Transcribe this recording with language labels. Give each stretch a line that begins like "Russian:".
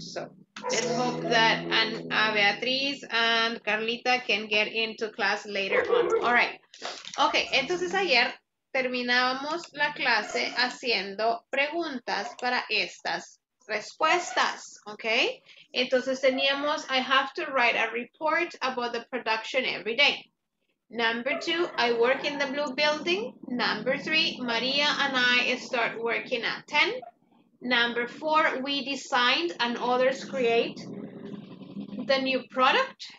English: So let's hope that Ana Beatriz and Carlita can get into class later on. All right. Okay.
Spanish: Entonces, ayer terminábamos la clase haciendo preguntas para estas respuestas.
English: Okay.
Spanish: Entonces teníamos,
English: I have to write a report about the production every day. Number two, I work in the blue building. Number three, Maria and I start working at 10. Number four, we designed and others create the new product.